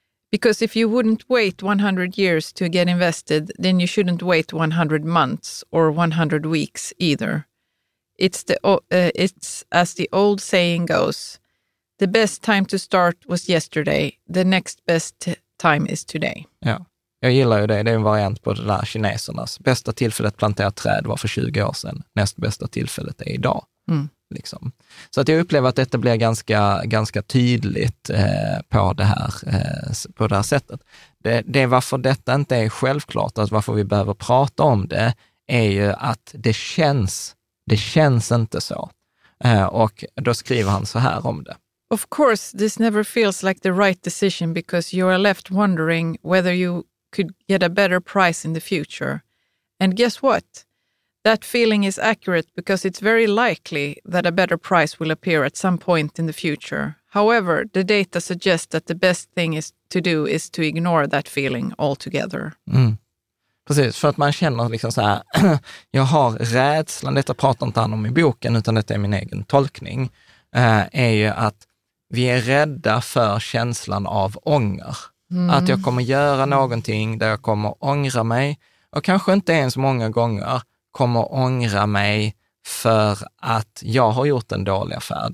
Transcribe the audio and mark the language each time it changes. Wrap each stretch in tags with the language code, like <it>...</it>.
<en>Because if you wouldn't wait 100 years to get invested, then you shouldn't wait 100 months or 100 weeks either. It's as the old saying goes, the best time to start was yesterday, the next best time is today.</en> <sv>Ja. Jag gillar ju det. Det är en variant på det där kinesernas. Bästa tillfället att plantera träd var för 20 år sedan. Näst bästa tillfället är idag. Mm. Liksom. Så att jag upplever att detta blir ganska, ganska tydligt på det här sättet. Det är varför detta inte är självklart, att varför vi behöver prata om det, är ju att det känns inte så. Och då skriver han så här om det.</sv> <en>Of course, this never feels like the right decision because you are left wondering whether you could get a better price in the future. And guess what? That feeling is accurate because it's very likely that a better price will appear at some point in the future. However, the data suggests that the best thing is to do is to ignore that feeling altogether. Mm.</en> <sv>Precis, för att man känner liksom så här, jag har rädslan, detta pratar inte han om i boken utan detta är min egen tolkning, är ju att vi är rädda för känslan av ånger. Mm. Att jag kommer göra någonting där jag kommer ångra mig och kanske inte ens många gånger kommer ångra mig för att jag har gjort en dålig affär.</sv>